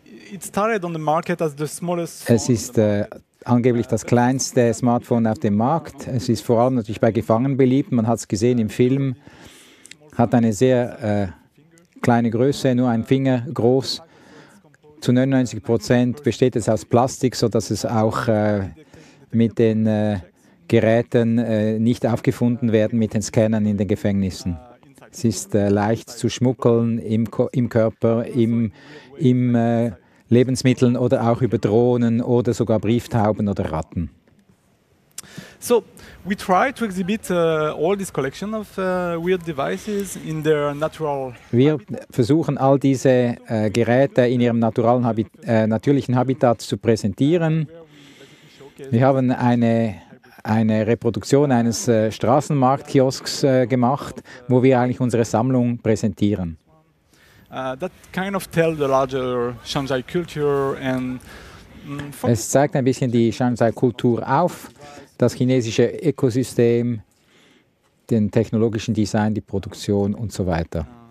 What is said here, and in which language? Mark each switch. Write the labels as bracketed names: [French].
[English] It started on the market as the smallest. [German] Es ist angeblich das kleinste Smartphone auf dem Markt. Es ist vor allem natürlich bei Gefangenen beliebt. Man hat es gesehen im Film. Hat eine sehr kleine Größe, nur ein Finger groß. Zu 99% besteht es aus Plastik, sodass es auch mit den Geräten nicht aufgefunden werden, mit den Scannern in den Gefängnissen. Es ist leicht zu schmuggeln im Körper, im Lebensmitteln oder auch über Drohnen oder sogar Brieftauben oder Ratten. [English] So, we try to exhibit all this collection of weird devices in their natural. [German] Wir versuchen all diese Geräte in ihrem natürlichen Habitat zu präsentieren. Wir haben eine Reproduktion eines Straßenmarktkiosks gemacht, wo wir eigentlich unsere Sammlung präsentieren. [English] That kind of tells the larger Shanghai culture and. [German] Es zeigt ein bisschen die Shanghai-Kultur auf. Das chinesische Ökosystem, den technologischen Design, die Produktion und so weiter.